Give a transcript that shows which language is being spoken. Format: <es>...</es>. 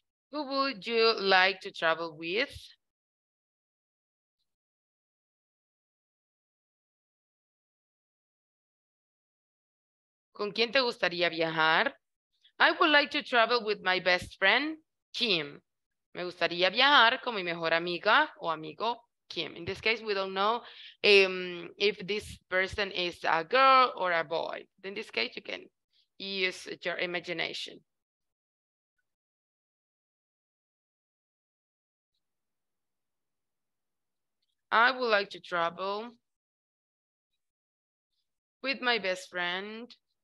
<en>Who would you like to travel with?</en> <es>¿Con quién te gustaría viajar?</es> <en>I would like to travel with my best friend, Kim.</en> <es>Me gustaría viajar con mi mejor amiga o amigo, Kim.</es> <en>In this case, we don't know if this person is a girl or a boy. In this case, you can use your imagination. I would like to travel with my best friend.</en>